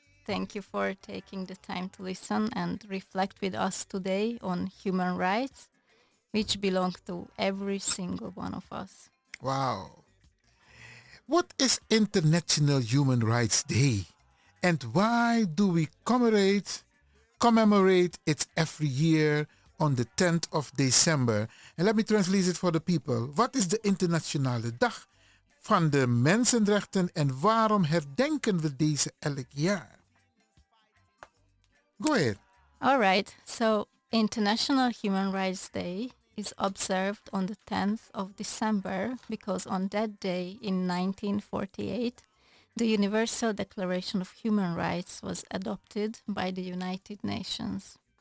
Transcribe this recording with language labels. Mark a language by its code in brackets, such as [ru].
[en] Thank you for taking the time to listen and reflect with us today on human rights, which belong to every single one of us. Wow. What is International Human Rights Day? And why do we commemorate it every year on the 10th of December? And let me translate it for the people. What is the [nl] Internationale Dag van de Mensenrechten en waarom herdenken we deze elk jaar? [en] Go ahead. All right. So International Human Rights Day is observed on the 10th of December because on that day in 1948, the Universal Declaration of Human Rights was adopted by the United Nations.